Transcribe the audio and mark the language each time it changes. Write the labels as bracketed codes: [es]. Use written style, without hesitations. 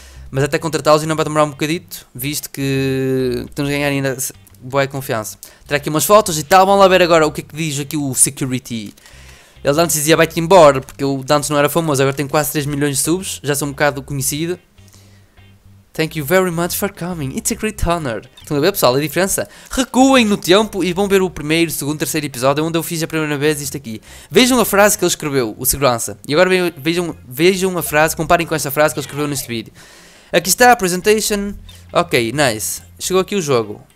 [pt] Mas até contratá-los e não vai demorar um bocadito, visto que temos que ganhar ainda boa confiança. Terá aqui umas fotos e tal. Vamos lá ver agora o que é que diz aqui o security. Ele antes dizia vai-te embora, porque o Dantes não era famoso, agora tem quase 3 milhões de subs, já sou um bocado conhecido. [en] Thank you very much for coming, it's a great honor. [pt] Estão a ver, pessoal, a diferença? Recuem no tempo e vão ver o primeiro, segundo, terceiro episódio, onde eu fiz a primeira vez isto aqui. Vejam a frase que ele escreveu, o segurança. E agora vejam a frase, comparem com esta frase que ele escreveu neste vídeo. Aqui está a presentation. Ok, nice. Chegou aqui o jogo.